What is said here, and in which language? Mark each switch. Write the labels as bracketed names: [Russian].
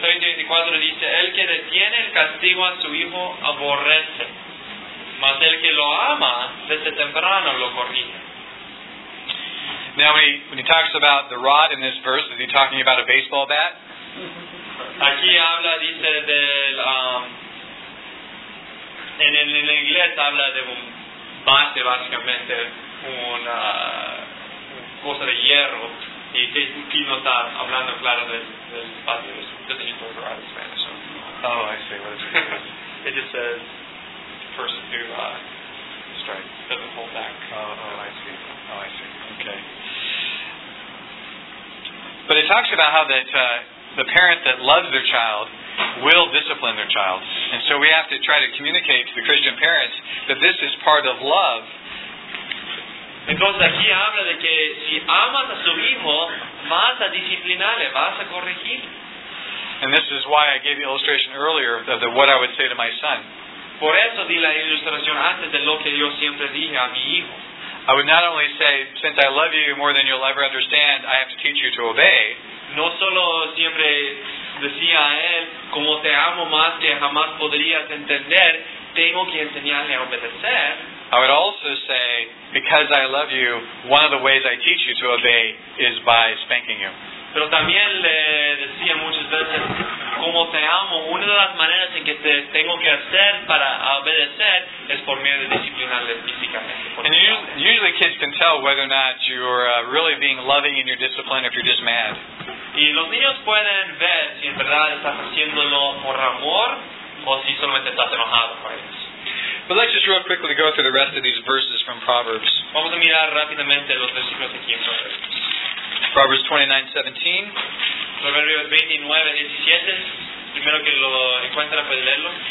[Spanish] Proverbs 13:24 dice: El que detiene el castigo a su hijo aborrece, mas el que lo ama desde temprano lo corrige. [English] Now when he talks about the rod in this verse, is he talking about a baseball bat? [Spanish] Aquí habla, dice, del en inglés habla de un bate, básicamente una cosa de hierro, y aquí no está hablando claro del bate. [English] It doesn't use the rod in Spanish. So. Oh, I see. What is it? It just says person who strike doesn't hold back. Oh, I see. Okay. But it talks about how that the parent that loves their child will discipline their child. And so we have to try to communicate to the Christian parents that this is part of love. [Spanish] Entonces aquí habla de que si amas a su hijo, vas a disciplinarle, vas a corregir. [English] And this is why I gave the illustration earlier of the what I would say to my son. [Spanish] Por eso di la ilustración antes de lo que yo siempre dije a mi hijo. [English] I would not only say, since I love you more than you'll ever understand, I have to teach you to obey. [Spanish] No solo siempre decía a él, como te amo más que jamás podrías entender, tengo que enseñarle a obedecer. [English] I would also say, because I love you, one of the ways I teach you to obey is by spanking you. [Spanish] Pero también le decía muchas veces, como te amo, una de las maneras en que te tengo que hacer para obedecer es por medio de disciplinarle físicamente. [English] And usually kids can tell whether or not you're really being loving in your discipline if you're just mad. [Spanish] Y los niños pueden ver si en verdad estás haciéndolo por amor o si solamente estás enojado por ellos. [English] But let's just real quickly go through the rest of these verses from Proverbs. [Spanish] Vamos a mirar rápidamente los versículos aquí en Proverbs. [English] Proverbs 29:17. [Spanish] Primero que lo encuentra, puede leerlo.